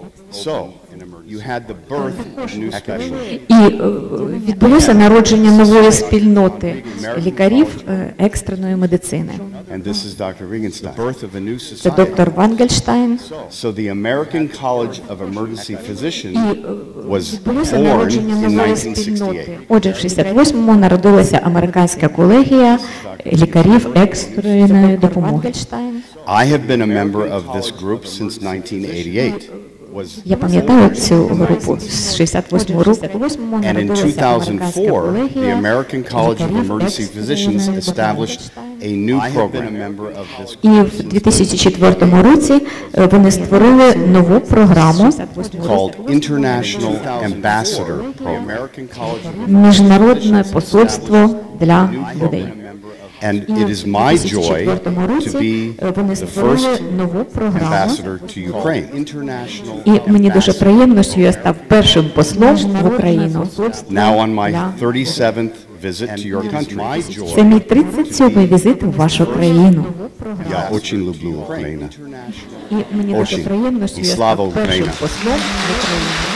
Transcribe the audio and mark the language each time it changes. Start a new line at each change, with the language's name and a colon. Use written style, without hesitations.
English: So, you had the birth of a new specialty.
Ukrainian: І відбулося народження нової спільноти лікарів екстреної медицини.
English: And this is Dr. Wiegenstein. The birth of a new society.
Ukrainian: Це доктор Вангельштайн.
English: So the American College of Emergency Physicians was born in 1968.
Ukrainian: Отже, в 68-му народилася американська колегія лікарів екстреної допомоги.
English: I have been a member of this group since 1988.
Ukrainian: Я пам'ятаю цю групу з 68-го року.
English: And in 2004, the American College of Emergency Physicians established a new program.
Ukrainian: І в 2004 році вони створили нову програму
English: called International Ambassador Program.
Ukrainian: Міжнародне посольство для людей.
English: And it is my joy to be the first ambassador to Ukraine.
Ukrainian: І мені дуже приємно, що я став першим послом в Україну.
English: Now on my 37th visit to your country.
Ukrainian: Це мій 37-й візит в вашу країну. Я дуже люблю Україну. І мені дуже приємно, що я став першим послом в Україну.